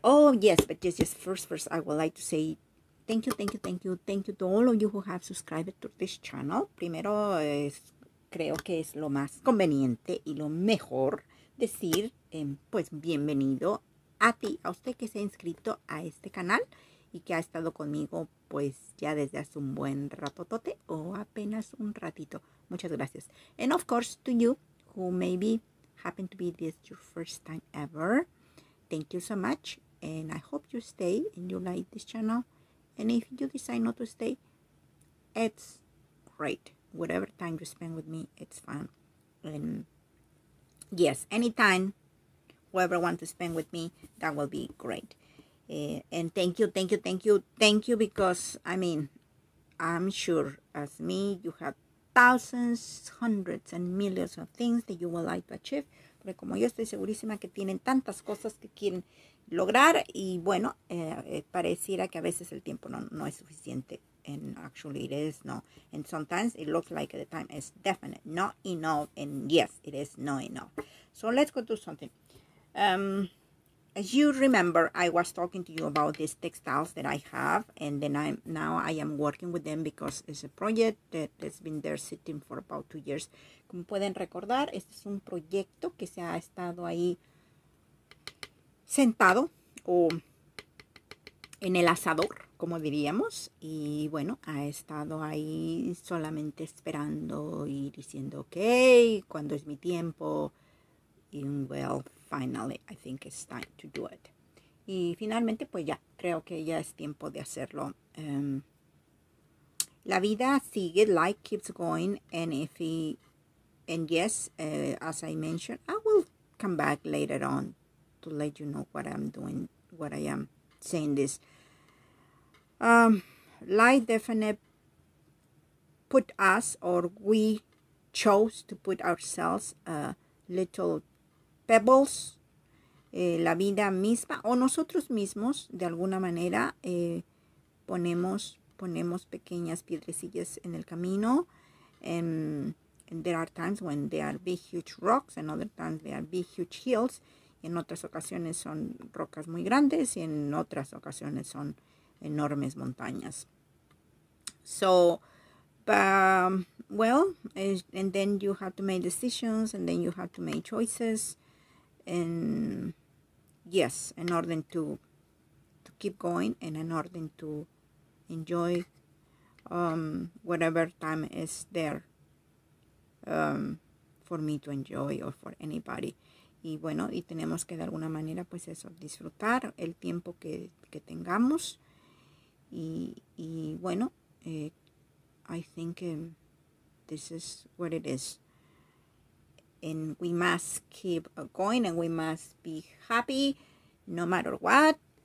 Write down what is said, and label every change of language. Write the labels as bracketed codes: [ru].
[en] Oh, yes, but just first, I would like to say thank you. Thank you to all of you who have subscribed to this channel. [es] Primero, creo que es lo más conveniente y lo mejor decir, pues, bienvenido a ti, a usted que se ha inscrito a este canal y que ha estado conmigo, pues, ya desde hace un buen ratotote o apenas un ratito. Muchas gracias. [en] And of course, to you, who maybe happen to be this your first time ever, thank you so much. And I hope you stay and you like this channel. And if you decide not to stay, it's great. Whatever time you spend with me, it's fun. And yes, anytime, whoever wants to spend with me, that will be great. And thank you, because, I mean, I'm sure as me, you have thousands, hundreds, and millions of things that you would like to achieve. [es] Porque como yo estoy segurísima que tienen tantas cosas que quieren lograr. Y bueno, pareciera que a veces el tiempo no es suficiente. [en] And actually it is, no. And sometimes it looks like the time is definite, not enough. And yes, it is not enough. So let's go do something. As you remember, I was talking to you about these textiles that I have, and then I am working with them because it's a project that has been there sitting for about 2 years. [es] Como pueden recordar, este es un proyecto que se ha estado ahí sentado o en el asador, como diríamos, y bueno, ha estado ahí solamente esperando y diciendo, okay, ¿cuándo es mi tiempo? [en] And well, finally, I think it's time to do it. [es] Y finalmente, pues ya, creo que ya es tiempo de hacerlo. La vida sigue, [en] life keeps going, as I mentioned, I will come back later on to let you know what I'm doing, what I am saying this. Life definitely put us, or we chose to put ourselves a little pebbles, [es] la vida misma o nosotros mismos de alguna manera ponemos pequeñas piedrecillas en el camino. [en] And there are times when they are big huge rocks, and other times they are big huge hills. [es] Y en otras ocasiones son rocas muy grandes y en otras ocasiones son enormes montañas. [en] So and then you have to make decisions, and then you have to make choices. And yes, in order to keep going, and in order to enjoy whatever time is there for me to enjoy, or for anybody. [es] Y bueno, y tenemos que de alguna manera, pues eso, disfrutar el tiempo que tengamos. [en] Y bueno, I think this is what it is. And we must keep going, and we must be happy no matter what.